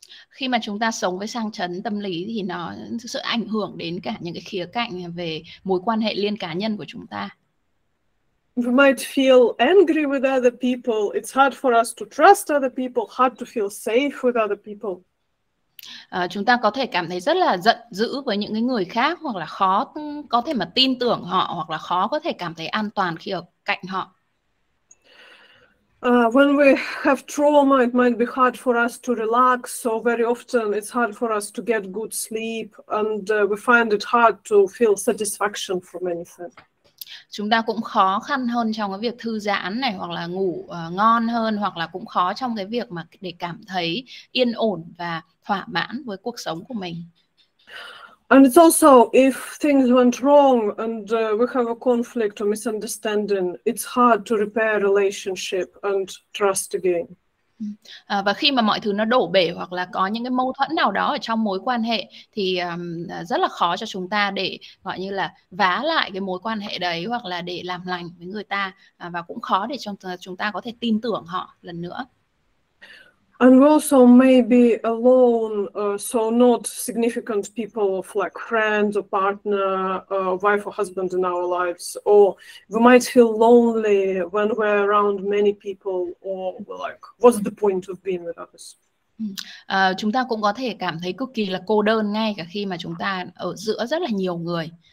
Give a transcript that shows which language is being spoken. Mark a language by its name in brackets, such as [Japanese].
[Vietnamese] Khi mà chúng ta sống với sang chấn tâm lý thì nó sẽ ảnh hưởng đến cả những cái khía cạnh về mối quan hệ liên cá nhân của chúng ta. [English] We might feel angry with other people. It's hard for us to trust other people, hard to feel safe with other people. [Vietnamese] Chúng ta có thể cảm thấy rất là giận dữ với những cái người khác hoặc là khó có thể mà tin tưởng họ hoặc là khó có thể cảm thấy an toàn khi ở cạnh họ. [English] When we have trauma, it might be hard for us to relax. So very often, it's hard for us to get good sleep, and we find it hard to feel satisfaction from anything. [Vietnamese] Chúng ta cũng khó khăn hơn trong cái việc thư giãn này hoặc là ngủ ngon hơn hoặc là cũng khó trong cái việc mà để cảm thấy yên ổn và thỏa mãn với cuộc sống của mình. [English] And it's also if things went wrong and we have a conflict or misunderstanding, it's hard to repair relationship and trust again. [Vietnamese] Và khi mà mọi thứ nó đổ bể hoặc là có những cái mâu thuẫn nào đó ở trong mối quan hệ thì rất là khó cho chúng ta để gọi như là vá lại cái mối quan hệ đấy hoặc là để làm lành với người ta, và cũng khó để cho chúng ta có thể tin tưởng họ lần nữa. [English] And we also may be alone, so not significant people of like friends or partner, wife or husband in our lives. Or we might feel lonely when we're around many people, or we're like, what's the point of being with others? [Vietnamese] Chúng ta cũng có thể cảm thấy cực kỳ là cô đơn ngay cả khi mà chúng ta ở giữa rất là nhiều người.